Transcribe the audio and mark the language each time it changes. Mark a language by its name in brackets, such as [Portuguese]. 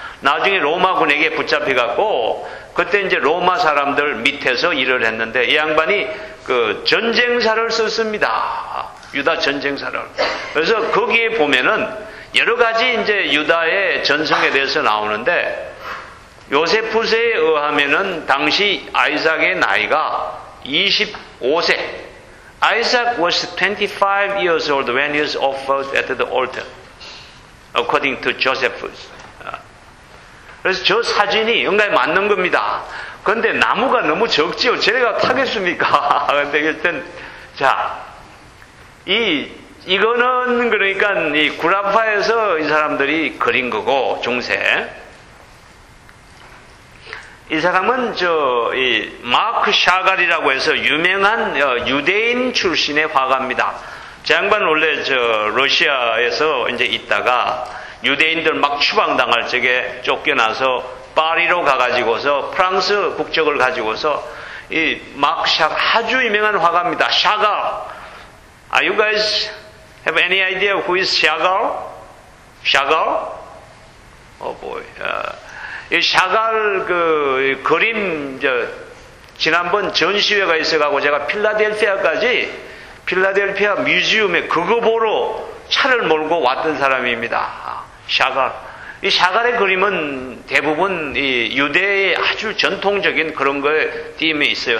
[Korean] 나중에 로마군에게 붙잡혀갖고 그때 이제 로마 사람들 밑에서 일을 했는데 이 양반이 그 전쟁사를 썼습니다. 유다 전쟁사를. 그래서 거기에 보면은 여러 가지 이제 유다의 전성에 대해서 나오는데 요세푸스에 의하면은 당시 아이삭의 나이가 25세. [English] Isaac was 25 years old when he was offered at the altar, according to Josephus. [Korean] 그래서 저 사진이 응가에 맞는 겁니다. 그런데 나무가 너무 적지요. 제가 타겠습니까? 그런데 일단 자, 이거는 그러니까 이 구라파에서 이 사람들이 그린 거고 중세. 이 사람은 저 이 마크 샤갈이라고 해서 유명한 유대인 출신의 화가입니다. 저 양반 원래 저 러시아에서 이제 있다가 유대인들 막 추방당할 적에 쫓겨나서 파리로 가가지고서 프랑스 국적을 가지고서 이 마크 샤갈 아주 유명한 화가입니다. 샤갈. [English] Are you guys have any idea who is 샤갈? 샤갈? Oh boy. [Korean] 이 샤갈 그 그림 저 지난번 전시회가 있어가고 제가 필라델피아 뮤지엄에 그거 보러 차를 몰고 왔던 사람입니다. 샤갈. 이 샤갈의 그림은 대부분 이 유대의 아주 전통적인 그런 거에 띠임이 있어요.